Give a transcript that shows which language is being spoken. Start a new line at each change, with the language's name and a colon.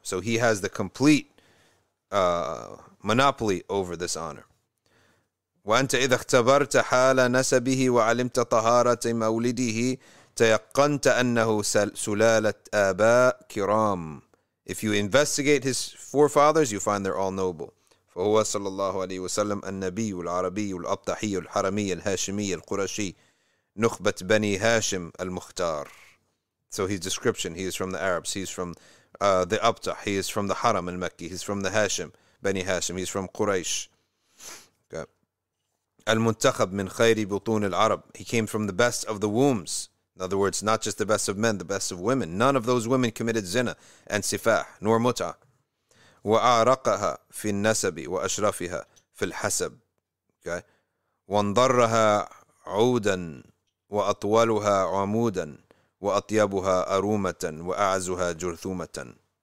English: So he has the complete monopoly over this honor.
Arabic: وَأَنْتَ إِذَا اخْتَبَرْتَ حَالَ نَسَبِهِ وَعَلِمْتَ طَهَارَةِ مَوْلِدِهِ تَيَقَّنْتَ أَنَّهُ سُلَالَةَ آبَاء كِرَامٍ.
English: If you investigate his forefathers, you find they're all noble.
Arabic: وهو صلى الله عليه وسلم النبي العربي الأبطحي الحرمي الهاشمي القرشي نخبة بني هاشم المختار.
English: So his description, he is from the Arabs, he is from the Abtah, he is from the Haram المكي, he is from the Hashim, بني هاشم, he is from Quraysh. Okay.
Arabic: المنتخب من خير بطون العرب.
English: He came from the best of the wombs. In other words, not just the best of men, the best of women. None of those women committed zina and sifah, nor muta.
Arabic: وأعرقها في النسب وأشرفها في الحسب.
English: Okay.
Arabic: وانضرها عودا وأطولها عمودا وأطيبها أرومة وأعزها جرثومة.